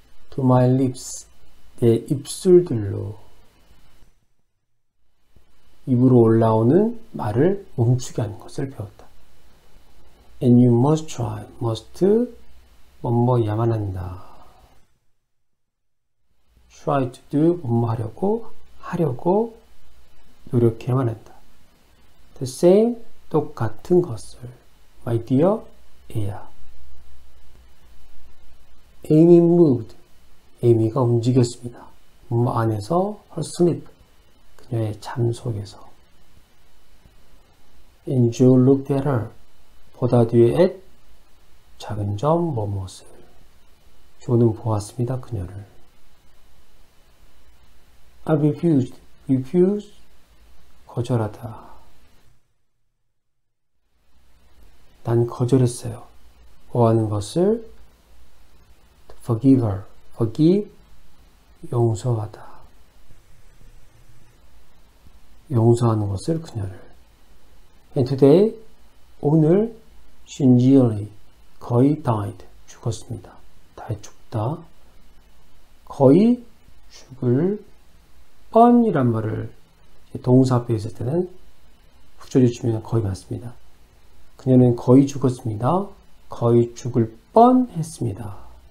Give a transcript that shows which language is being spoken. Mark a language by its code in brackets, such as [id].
[en] To my lips, [ko] 내 입술들로. 입으로 올라오는 말을 멈추게 하는 것을 배웠다. [en] And you must try, must [ko] 뭐뭐야만 한다. [en] Try to do [ko] 뭐뭐하려고 하려고 노력해야만 한다. [en] The same [ko] 똑같은 것을 [en] My dear, 에야. Amy moved. [ko] 에미가 움직였습니다. 엄마 안에서 [en] her sleep. [ko] 그녀의 잠 속에서. [en] And Joe looked at her. [ko] 보다 뒤에 at 작은 점 무엇을. 조는 보았습니다. 그녀를. [en] I refused. Refuse. [ko] 거절하다. 난 거절했어요. 뭐하는 것을 [en] forgive her, [ko] forgive 용서하다, 용서하는 것을 그녀를. [en] And today [ko] 오늘 [en] she nearly [ko] 거의 [en] died [ko] 죽었습니다. 다 죽다, 거의 죽을 뻔이란 말을 동사 앞에 있을 때는 붙여주시면 거의 맞습니다. 그녀는 거의 죽었습니다. 거의 죽을 뻔했습니다.